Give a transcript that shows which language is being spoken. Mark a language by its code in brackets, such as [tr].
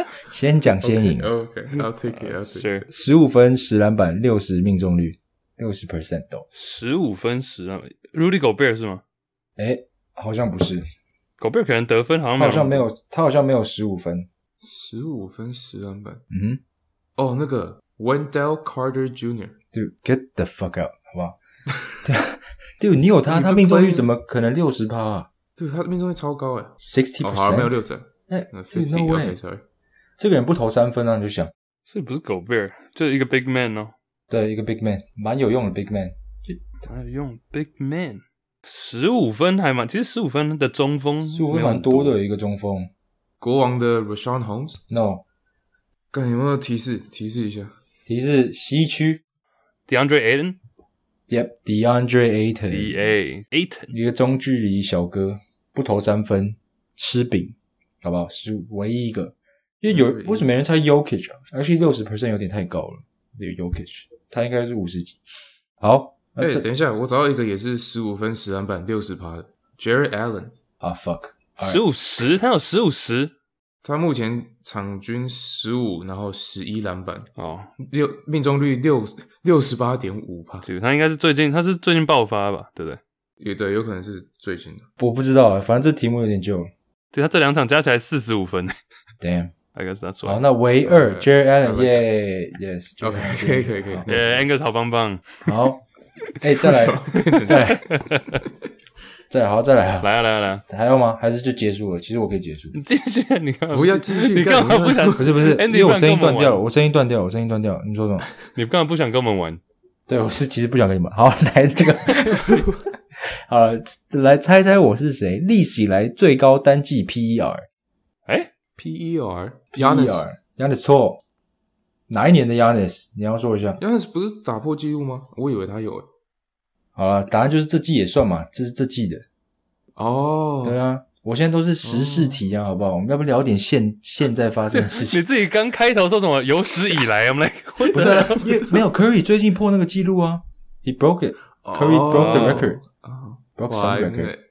[zh] 先讲先赢 [en] okay, ，OK， I'll take it， I'll take it。 [zh] 15分10篮板60命中率60%都。 15分10篮板 ，Rudy Gobert 是吗？哎，好像不是。狗贝尔可能得分好像他好像没有，他好像没有15分。 15分10篮板。嗯。哦、oh, 那个 ,Wendell Carter Jr. Dude, get the fuck out, 好不好?Dude, 你有他他命中率怎么可能 60%? 对，他命中率超高耶。 60%? 哦、好像没有 60%。那 50,OK, [en] sorry。 [zh] 这个人不投三分啊，你就想。所以不是狗贝尔，就一个 big man 哦。对，一个 big man, 蛮有用的 big man。蛮有用 ,big man。15分还蛮，其实15分的中锋 15分蛮多的一个中锋，国王的 Rashawn Holmes [en] No， [zh] 干，有没有提示，提示一下，提示西区 DeAndre Ayton [en] Yep DeAndre Ayton [zh] D.A. Ayton 一个中距离小哥，不投三分，吃饼，好不好？是唯一一个，因为有为什么没人猜 Jokic 啊？而且 60% 有点太高了，那个 Jokic 他应该是50几。好，哎、欸，等一下，我找到一个也是15分10篮板60%的 Jared Allen。 [en] 啊、oh, fuck！ [zh] 十五十，他有十五十，他目前场均15，然后11篮板哦，六、oh. 命中率68.5%，他应该是最近，他是最近爆发吧，对不对？也对，有可能是最近的，我不知道，反正这题目有点旧。对他这两场加起来45分 [en] ，Damn！I guess that's why。 [zh] 好，那唯二 Jared Allen， 耶、yeah, ，Yes， OK， 可以，耶、yeah, ，Angus 好棒棒，好，哎、欸，再来，再来。再好，再来啊！来啊，来啊，来啊！还要吗？还是就结束了？其实我可以结束。你继续，你不要继续。你干嘛不想？不是，因为我声音断掉了。我声音断掉了。你说什么？你干嘛不想跟我们玩？对，我是其实不想跟你们。好，来那个，好了，来猜猜我是谁？历史以来最高单季 PER？哎，PER，Giannis 错。哪一年的 Giannis？你要说一下。 Giannis 不是打破纪录吗？我以为他有。好啦，答案就是这季也算嘛，这是这季的。哦、oh. ，对啊，我现在都是时事题啊， oh. 好不好？我们要不聊点现在发生的事情？你自己刚开头说什么？有史以来，我们来不是、啊、没有 Curry 最近破那个记录啊 ， He broke it， Curry、oh. [en] broke the record，broke some record。